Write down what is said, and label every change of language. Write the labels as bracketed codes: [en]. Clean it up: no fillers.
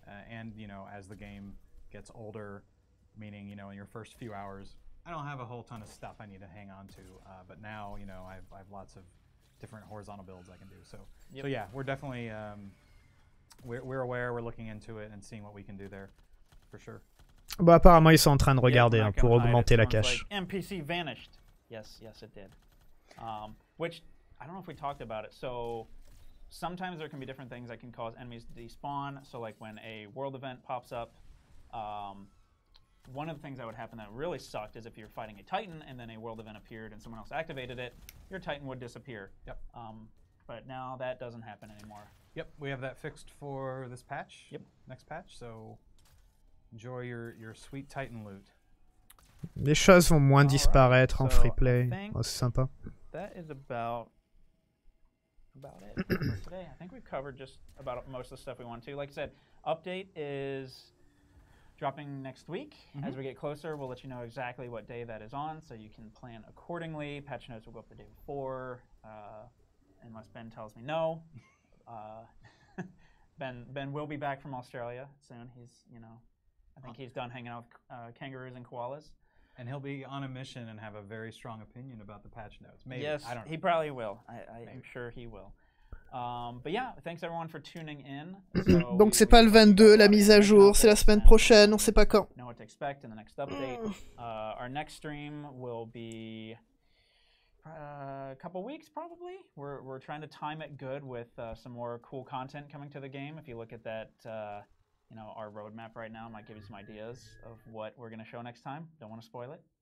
[en] And you know, as the game gets older, meaning, you know, in your first few hours, I don't have a whole ton of stuff I need to hang on to, but now, you know, I have lots of different horizontal builds I can do. So yep. So yeah, we're definitely we're aware, we're looking into it and seeing what we can do there for sure. [fr] Bah, apparemment ils sont en train de regarder pour augmenter la cache. [en] Like, NPC vanished. Yes it did. Which I don't know if we talked about it. So sometimes there can be different things that can cause enemies to despawn. So like when a world event pops up, one of the things that would happen that really sucked is if you're fighting a Titan and then a world event appeared and someone else activated it, your Titan would disappear. Yep. But now that doesn't happen anymore. Yep, we have that fixed for this patch. Yep. Next patch. So enjoy your sweet Titan loot. [fr] Les choses vont moins disparaître en free play. Oh, c'est sympa. [en] That is about it for today. I think we've covered just about most of the stuff we want to. Like I said, update is dropping next week. Mm-hmm. As we get closer, we'll let you know exactly what day that is on, so you can plan accordingly. Patch notes will go up the day before, unless Ben tells me no. Ben will be back from Australia soon. He's, you know, I think he's done hanging out with kangaroos and koalas. And he'll be on a mission and have a very strong opinion about the patch notes. Maybe. Yes, I don't know. He probably will. I'm sure he will. But yeah, thanks everyone for tuning in. [fr] So donc c'est pas le 22 la mise à jour, c'est la semaine prochaine, on sait pas quand. [en] Know what to expect in the next update. Our next stream will be a couple weeks probably. We're trying to time it good with some more cool content coming to the game. If you look at that, you know, our roadmap right now might give you some ideas of what we're going to show next time. Don't want to spoil it.